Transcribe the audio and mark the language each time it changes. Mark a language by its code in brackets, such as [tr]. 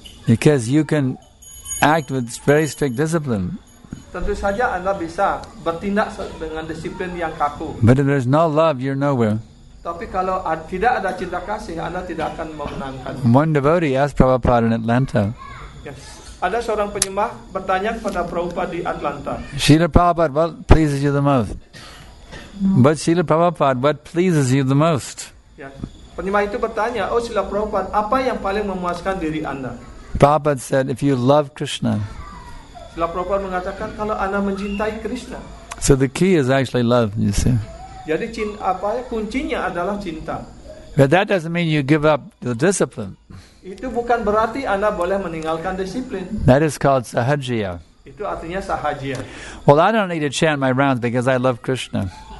[en] Because you can act with very strict discipline. [id] Tentu saja Anda bisa bertindak dengan disiplin yang kaku. [en] But if there's no love, you're nowhere. [id] Tapi kalau tidak ada cinta kasih, Anda tidak akan memenangkan. [en] One devotee asked Prabhupada in Atlanta. [id] Yes. Ada seorang penyembah bertanya kepada Prabhupada di Atlanta. [en] Srila Prabhupada, what pleases you the most? But Srila Prabhupada, what pleases you the most? Yeah. [id] Penyembah itu bertanya, oh Srila Prabhupada, apa yang paling memuaskan diri Anda? [en] Prabhupada said, if you love Krishna. [id] Srila Prabhupada mengatakan, kalau Anda mencintai Krishna. [en] So the key is actually love, you see. [id] Jadi kuncinya adalah cinta. [en] But that doesn't mean you give up the discipline. [id] Itu bukan berarti Anda boleh meninggalkan disiplin. [en] That is called sahajya. [id] Itu artinya sahajya. [en] Well, I don't need to chant my rounds because I love Krishna.